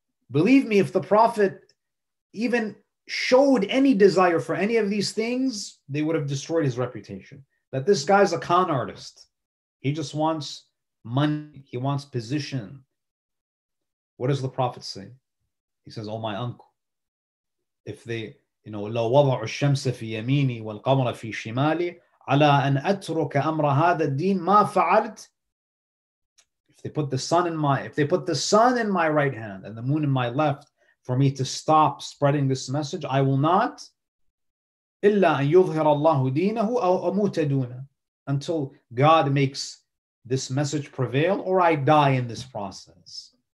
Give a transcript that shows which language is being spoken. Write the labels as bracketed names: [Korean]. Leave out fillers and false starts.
[English] Believe me, if the Prophet even showed any desire for any of these things, they would have destroyed his reputation. That this guy's a con artist. He just wants money. He wants position. What does the Prophet say? He says, oh, my uncle, if they, you know, [Arabic] لو وضع الشمس في يميني والقمر في شمالي على أن أترك أمر هذا الدين ما فعلت. [English] If they put the sun in my right hand and the moon in my left, for me to stop spreading this message. I will not. [Arabic] إِلَّا أَن يُظْهِرَ اللَّهُ دِينَهُ أَوْ أَمُوتَ دُونَ. [English] Until God makes this message prevail, or I die in this process.